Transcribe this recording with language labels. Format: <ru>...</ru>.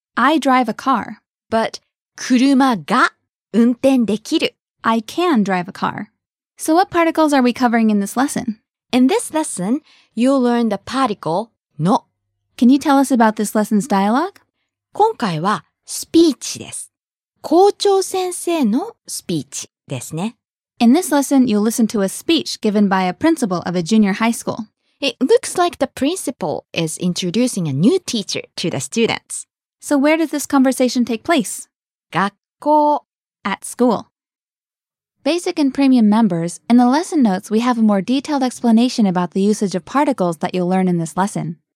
<en>I drive a car. But</en> <ja>車が運転できる。</ja> <en>I can drive a car. So what particles are we covering in this lesson? In this lesson, you'll learn the particle の. Can you tell us about this lesson's dialogue?</en> <ja>今回はスピーチです。校長先生のスピーチですね。</ja> <en>In this lesson, you'll listen to a speech given by a principal of a junior high school. It looks like the principal is introducing a new teacher to the students. So where does this conversation take place?</en> <ja>学校.</ja> <en>At school. Basic and premium members, in the lesson notes, we have a more detailed explanation about the usage of particles that you'll learn in this lesson.</en>